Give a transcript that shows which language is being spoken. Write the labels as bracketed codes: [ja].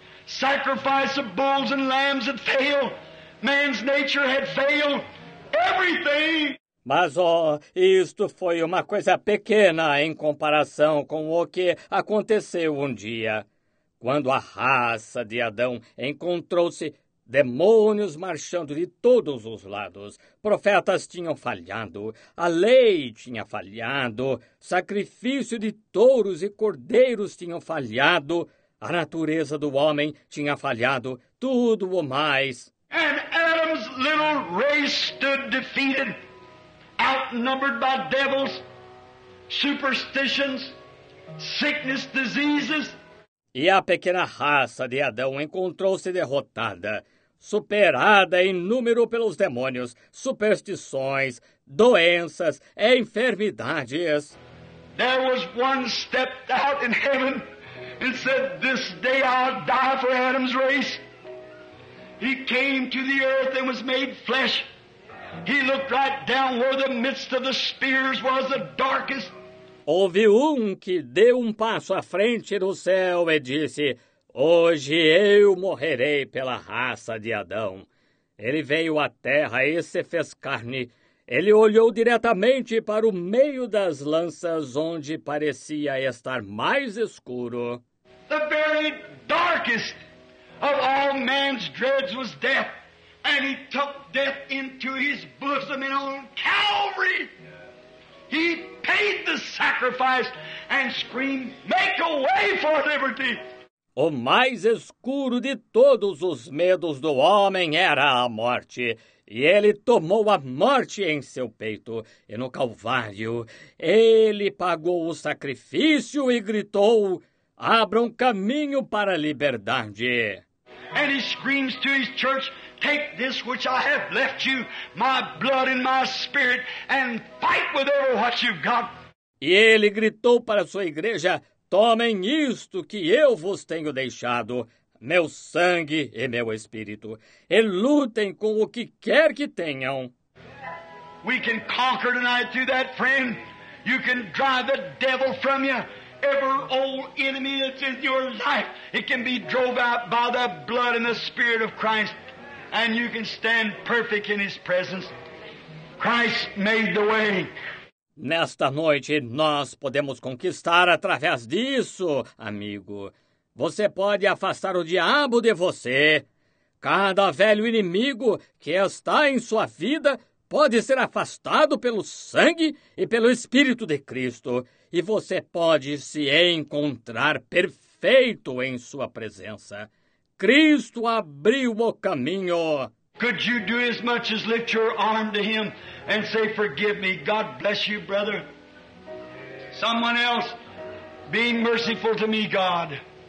[en] Sacrifice of bulls and lambs had failed. Man's nature had failed everything. [pt] Mas, oh, isto foi uma coisa pequena em comparação com o que aconteceu um dia. Quando a raça de Adão encontrou-se demônios marchando de todos os lados, profetas tinham falhado, a lei tinha falhado, sacrifício de touros e cordeiros tinham falhado, a natureza do homem tinha falhado, tudo o mais. [en] And Adam's little race stood defeated, outnumbered by devils, superstitions, sickness, diseases. [pt] E a pequena raça de Adão encontrou-se derrotada, superada em número pelos demônios, superstições, doenças, enfermidades. [en] There was one stepped out in heaven and said, this day I'll die for Adam's race. He came to the earth and was made flesh. He looked right down where the midst of the spears was the darkest. [pt] Houve que deu passo à frente do céu e disse, hoje eu morrerei pela raça de Adão. Ele veio à terra e se fez carne. Ele olhou diretamente para o meio das lanças onde parecia estar mais escuro. [en] The very darkest of all man's dreads was death, and he took death into his bosom and on Calvary. He paid the sacrifice and screamed, make a way for liberty. [pt] O mais escuro de todos os medos do homem era a morte, e ele tomou a morte em seu peito, e no Calvário ele pagou o sacrifício e gritou: abra um caminho para a liberdade. [en] And he screams to his church, take this which I have left you, my blood and my spirit, and fight with all what you've got. [pt] E ele gritou para sua igreja: tomem isto que eu vos tenho deixado, meu sangue e meu espírito, e lutem com o que quer que tenham. [en] We can conquer tonight through that, friend. You can drive the devil from you. Every old enemy that's in your life, it can be drove out by the blood and the spirit of Christ, and you can stand perfect in his presence. Christ made the way. [pt] Nesta noite, nós podemos conquistar através disso, amigo. Você pode afastar o diabo de você. Cada velho inimigo que está em sua vida pode ser afastado pelo sangue e pelo Espírito de Cristo. E você pode se encontrar perfeito em sua presença. Cristo abriu o caminho. [en] Could you do as much as lift your arm to him and say, forgive me, God bless you, brother. Someone else, be merciful to me, God.